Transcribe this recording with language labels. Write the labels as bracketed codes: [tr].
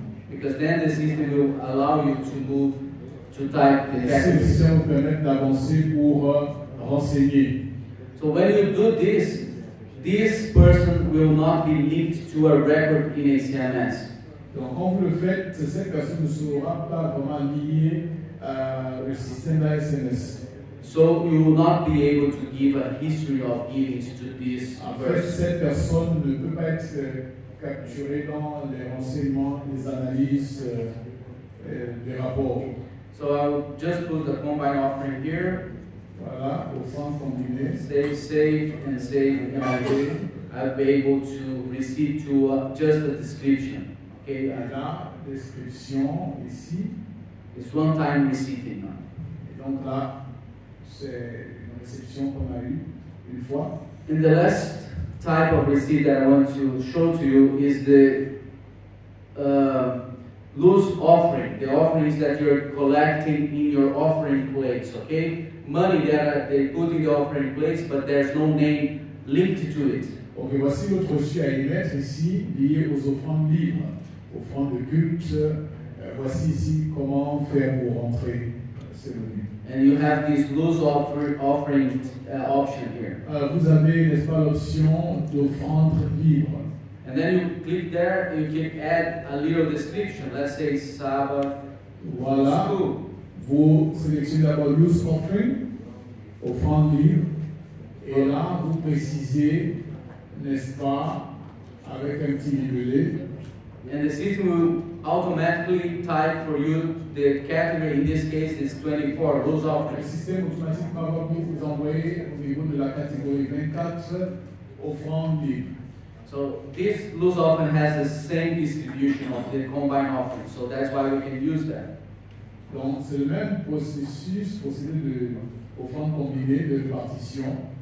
[en] Because then the system will allow you to move to type the category. So when you do this, this person will not be linked to a record in ACMS. [fr] Donc quand vous le faites, cette personne ne sera pas vraiment liée au système d'ACMS. [en] So you will not be able to give a history of giving to this person. [fr] Cette personne ne peut pas être capturée dans les renseignements, les analyses, des rapports. [en] So I'll just put the combined offering here. [fr] Voilà, au centre combiné. [en] Save, save, and save, and I'll be able to receive to just a description. Okay. [fr] Et là, description ici. [en] It's one time receiving. Et [fr] donc là. C'est une réception qu'on a eue une fois. [en] And the last type of receipt that I want to show to you is the loose offering. The offerings that you're collecting in your offering plates, okay? Money that they put in the offering plates, but there's no name linked to it. [fr] Ok, voici notre reçu à émettre ici, lié aux offrandes libres, offrandes de culte. Voici ici comment faire pour rentrer. [en] And you have this loose offering option here. [fr] Vous avez, n'est-ce pas, l'option d'offrande libre. [en] And then you click there, you can add a little description. Let's say Sabbath. [fr] Voilà. [en] School. [fr] Vous sélectionnez d'abord loose offering, offrande libre. Et là, vous précisez, n'est-ce pas, avec un petit libellé. [en] And the system will automatically type for you the category, in this case is 24, those offerings. [fr] Le système automatiquement va vous envoyer au niveau de la catégorie 24, offrandes libres. [en] So this loose offering has the same distribution of the combined offering, so that's why we can use that. [fr] Donc c'est le même processus, procédé de offrandes combinées de partition.